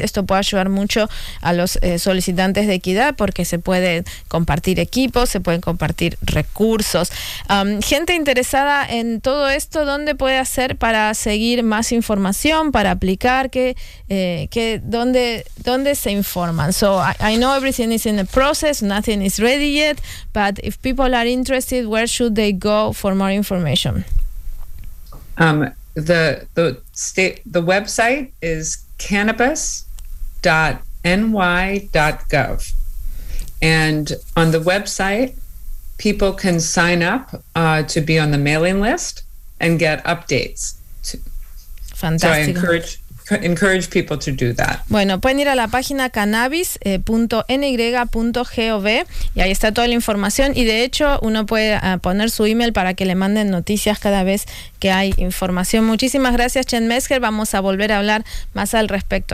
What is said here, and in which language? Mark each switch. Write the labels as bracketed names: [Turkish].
[Spanish] Esto puede ayudar mucho a los solicitantes de equidad, porque se puede compartir equipos, se pueden compartir recursos. Gente interesada en todo esto, ¿dónde puede hacer para seguir más información, para aplicar? ¿Dónde se informan? [English] So I know everything is in the process, nothing is ready yet, but if people are interested, where should they go for more information? The website is cannabis.ny.gov, and on the website people can sign up to be on the mailing list and get updates. Fantastic. So I encourage people to do that. [Spanish] Bueno, pueden ir a la página cannabis.ny.gov y ahí está toda la información, y de hecho uno puede poner su email para que le manden noticias cada vez que hay información. Muchísimas gracias, Chen Mesker. Vamos a volver a hablar más al respecto.